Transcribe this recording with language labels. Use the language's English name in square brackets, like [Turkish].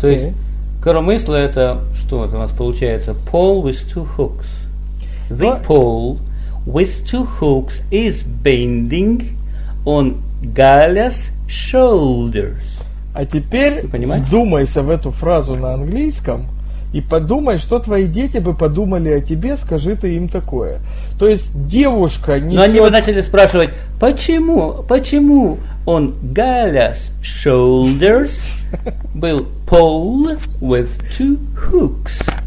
[Russian] То есть, коромысло – это что это у нас получается? [English] Pole with two hooks. The pole with two hooks is bending on Galia's shoulders. [Russian] А теперь вдумайся в эту фразу на английском и подумай, что твои дети бы подумали о тебе, скажи ты им такое. То есть девушка несет... Но они бы начали спрашивать, почему он [English] Galia's shoulders [Russian] был [English] pole with two hooks?